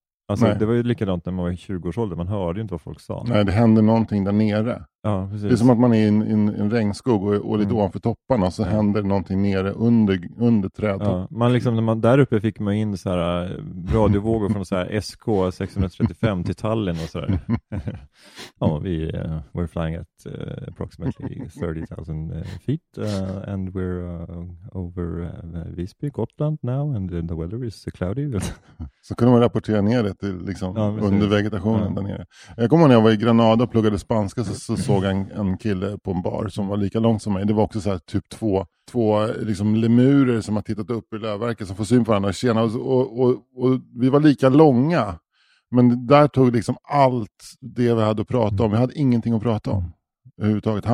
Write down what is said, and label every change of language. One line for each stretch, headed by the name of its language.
Swedish: Alltså, det var ju likadant när man var i 20-årsåldern. Man hörde ju inte vad folk sa. Nej, det hände någonting där nere. Ja, precis. Det är som att man är i en regnskog och lite ovanför topparna. Så händer någonting nere under trädet. Ja, man liksom, när man, där uppe fick man in så här radiovågor från så här SK-635 till Tallinn och sådär.
English: Ja, we're flying at approximately 30,000 feet. And we're over Visby, Gotland now. And the weather is cloudy.
Swedish: Så kunde man rapportera ner det till, liksom, ja, under vegetationen där nere. Jag kommer när jag var i Granada och pluggade spanska så såg en kille på en bar som var lika lång som mig. Det var också så här typ två liksom lemurer som har tittat upp i lövverket som får syn på varandra. Tjena, och vi var lika långa. Men där tog liksom allt det vi hade att prata om. Vi hade ingenting att prata om överhuvudtaget.